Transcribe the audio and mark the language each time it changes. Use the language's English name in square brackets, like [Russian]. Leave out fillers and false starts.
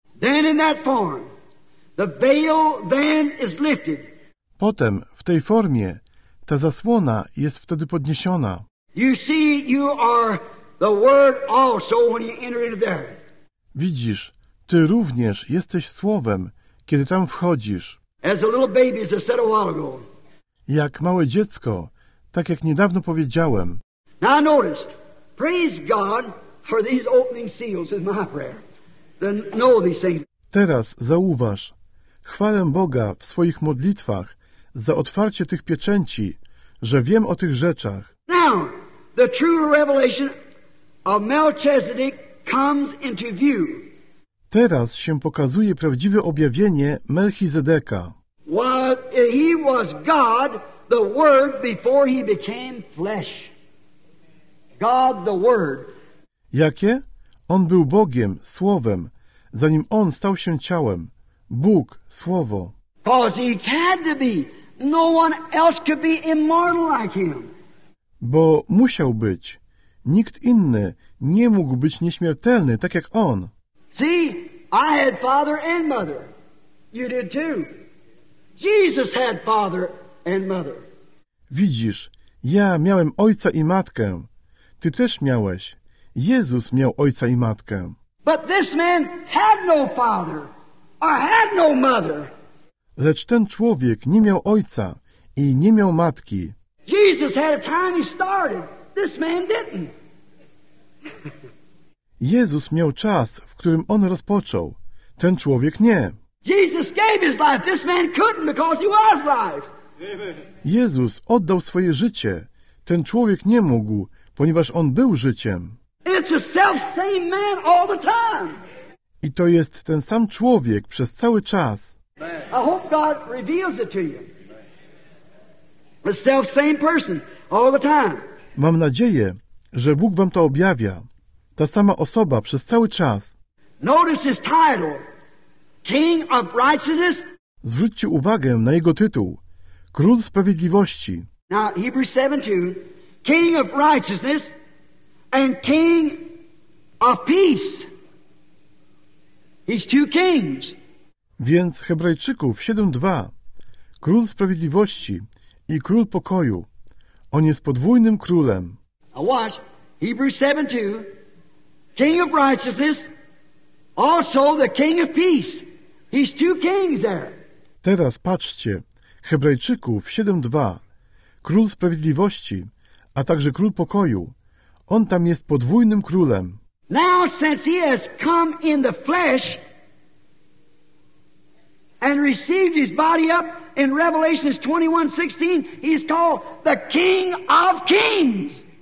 [English] Then in that form, the veil then is lifted. [Polish] Potem, w tej formie, ta zasłona jest wtedy podniesiona. [English] You see, you are the word also when you enter into there. [Polish] Widzisz, ty również jesteś słowem, kiedy tam wchodzisz. [English] As a little baby, as I said a while ago. [Polish] Jak małe dziecko, tak jak niedawno powiedziałem. [English] Now notice, praise God for these opening seals is my prayer. Then know these things. [Polish] Teraz zauważ, chwalę Boga w swoich modlitwach za otwarcie tych pieczęci, że wiem o tych rzeczach. [English] Now, the true revelation of Melchizedek comes into view. [Polish] Teraz się pokazuje prawdziwe objawienie Melchizedeka. [English] Well, he was God, the Word, before he became flesh. God, the Word. [Polish] Jakie? On był Bogiem, Słowem, zanim on stał się ciałem. Bóg, Słowo. [English] Because he had to be. No one else could be immortal like him. [Polish] Bo musiał być. Nikt inny nie mógł być nieśmiertelny, tak jak on. [English] See, I had father and mother. You did too. Jesus had father and mother. [Polish] Widzisz, ja miałem ojca i matkę. Ty też miałeś. Jezus miał ojca i matkę. [English] But this man had no father or had no mother. [Polish] Lecz ten człowiek nie miał ojca i nie miał matki. [English] Jesus had a time he started. This man didn't. [Polish] Jezus miał czas, w którym on rozpoczął. Ten człowiek nie. [English] Jesus gave his life. This man couldn't because he was life. [Polish] Jezus oddał swoje życie. Ten człowiek nie mógł, ponieważ on był życiem. [English] It's a self-same man all the time. [Polish] I to jest ten sam człowiek przez cały czas. [English] I hope God reveals it to you. The self same person all the time. [Polish] Mam nadzieję, że Bóg wam to objawia. Ta sama osoba przez cały czas. [English] Notice his title, King of Righteousness. [Polish] Zwróćcie uwagę na jego tytuł, Król Sprawiedliwości. [English] Now Hebrews 7:2, King of Righteousness and King of Peace. He's two kings. [Polish] Więc Hebrajczyków 7:2, Król Sprawiedliwości i Król Pokoju. On jest podwójnym królem. [English] Now watch, Hebrews 7:2, King of Righteousness, also the King of Peace. He's two kings there. [Polish] Teraz patrzcie, Hebrajczyków 7:2, Król Sprawiedliwości, a także Król Pokoju. On tam jest podwójnym królem. [English] Now since he has come in the flesh and received his body up in Revelation 21:16, he's called the King of Kings.